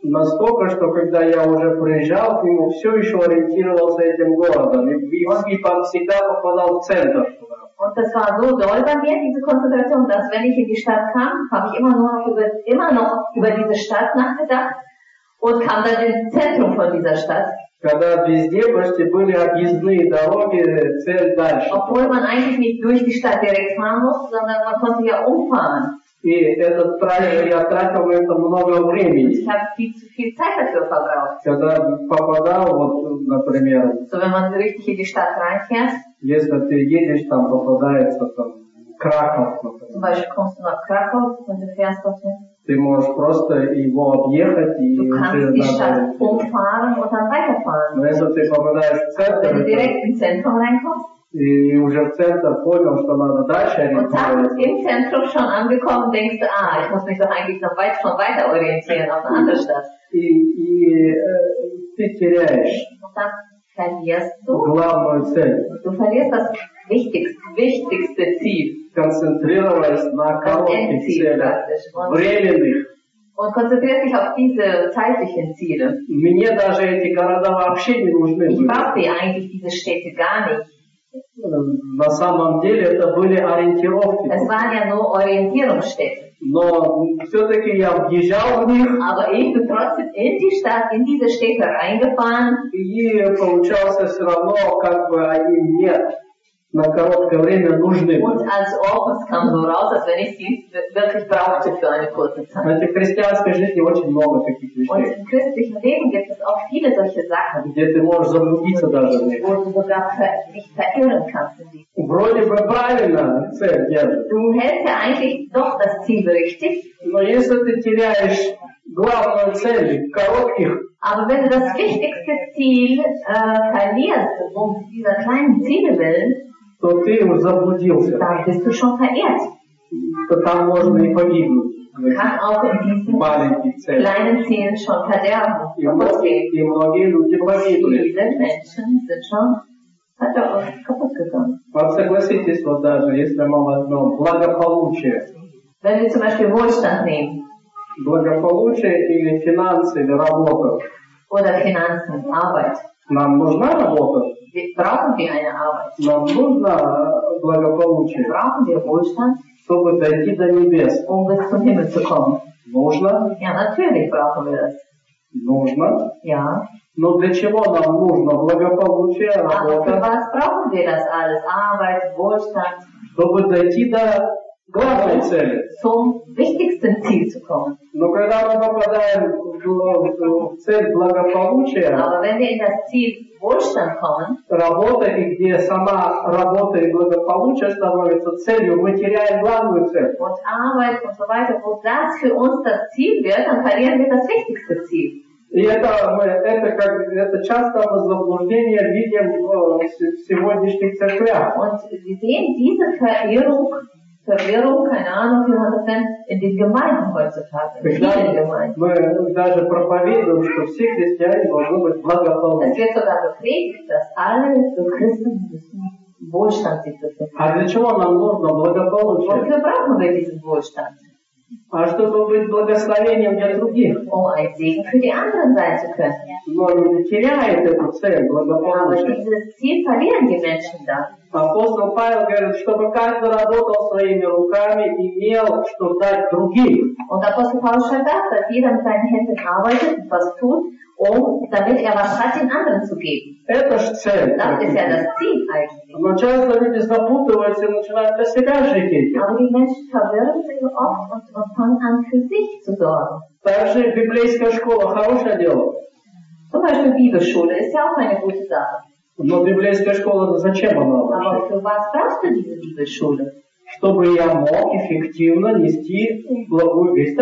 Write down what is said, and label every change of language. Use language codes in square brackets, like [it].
[ru] Настолько, что когда я уже приезжал к нему, все еще ориентировался этим городом. И он всегда попадал в центр. [de] Und das war so doll bei mir, diese Konzentration, dass wenn ich in die Stadt kam, habe ich immer noch über diese Stadt nachgedacht und kam dann ins Zentrum von dieser Stadt. [ru] Когда везде почти были объездные дороги, цель дальше. [de] Obwohl man eigentlich nicht durch die Stadt direkt fahren muss, sondern man konnte ja umfahren. [ru] И этот трайлер, я тратил на это много времени. [de] Ich habe viel zu viel Zeit dafür verbraucht. [ru] Когда попадал, вот, например, [de] so wenn man richtig in die Stadt reinfährt, [ru] если ты едешь, там попадается там Краков, например. Ты можешь просто его объехать и уже дальше. Но если ты попадаешь в центр, и уже в центр понял, что надо дальше ориентироваться. И ты теряешь. [de] Du verlierst das wichtigste Ziel. Konzentrierst du dich auf kurzfristige Ziele? Und konzentrierst dich auf diese zeitlichen Ziele? [ru] Мне даже эти города вообще не нужны. [de] Ich brauchte eigentlich diese Städte gar nicht. [ru] На самом деле это были ориентировки. [de] Es waren ja nur Orientierungsstädte. [ru] Но все-таки я въезжал в них. [de] Aber ich bin trotzdem in die Stadt, in diese Städte reingefahren. [ru] И получался все равно, как бы они мне на короткое время нужны. [de] Und als ob es kam so raus, als wenn ich sie wirklich brauchte für eine kurze Zeit. [ru] Знаете, в христианской жизни очень много таких вещей. [de] Und im christlichen Leben gibt es auch viele solche Sachen. [ru] Где ты можешь заблудиться даже в них. [de] Wo du sogar dich verirren kannst in diesem. [ru] Вроде бы правильно цель держит. [de] Du hältst ja eigentlich doch das Ziel richtig. [ru] Но если ты теряешь главную цель коротких. [de] Aber wenn du das wichtigste Ziel verlierst, um dieser kleinen Ziele willen, [ru] то ты заблудился. Да, ты уже потерял. То там можно и погибнуть. [de] Как auch in diesen kleinen Zielen schon verderben. [ru] И многие люди погибли. [de] Viele Menschen sind schon kaputt gegangen. [ru] Вот согласитесь, вот даже если мы возьмем благополучие. [de] Wenn wir zum Beispiel Wohlstand nehmen. [ru] Благополучие или финансы, или работа. [de] Oder Finanzen, Arbeit. [ru] Нам нужна работа. [de] Brauchen wir eine Arbeit? [ru] Нам нужно благополучие. [de] Brauchen wir Wohlstand? [ru] Чтобы дойти до небес. [de] Um bis zum Himmel zu kommen. [ru] Нужно? [de] Ja, natürlich brauchen wir das. [ru] Нужно? [de] Ja. [ru] Но для чего нам нужно благополучие, работа? [de] Aber für was brauchen wir das alles? Arbeit, Wohlstand? [ru] Чтобы дойти до главной цели. [de] Zum wichtigsten Ziel zu kommen. [ru] Но когда мы попадаем в цель благополучия, [de] aber wenn wir in das Ziel Wohlstand kommen, [ru] работа, и где сама работа и благополучие становится целью, мы теряем главную цель. [de] Und Arbeit und so weiter, wo das für uns das Ziel wird, dann verlieren wir das wichtigste Ziel. [ru] И это часто мы заблуждение видим в сегодняшних церквях. [de] Und wir sehen diese Verirrung, keine Ahnung, wie man das nennt, in den Gemeinden heutzutage. [ru] Gemeinden. Мы даже проповедуем, [de] es wird sogar gepredigt, dass alle Christen müssen Wohlstand sich befinden. [ru] А для чего нам нужно благополучие? [de] Wofür brauchen wir diesen Wohlstand? [ru] А чтобы быть благословением для других. [de] Um ein Segen für die anderen sein zu können. [ru] Но не теряет эту цель благополучия. [de] Aber dieses Ziel verlieren die Menschen dann. [ru] Апостол Павел говорит, чтобы каждый работал своими руками и имел, что дать другим. [de] Und Apostel Paulus schreibt das, dass jeder mit seinen Händen arbeitet, was tut, um damit was hat, den anderen zu geben. [ru] Это ж цель. [de] Das ist ja das Ziel eigentlich. [ru] Но часто люди запутываются и начинают для себя жить этим. [de] Aber die Menschen verwirren sich oft und fangen an für sich zu sorgen. [ru] Также библейская школа хорошее дело. [de] Zum Beispiel Bibelschule ist ja auch eine gute Sache. [ru] Но библейская школа, зачем она вообще? Чтобы я мог эффективно нести благую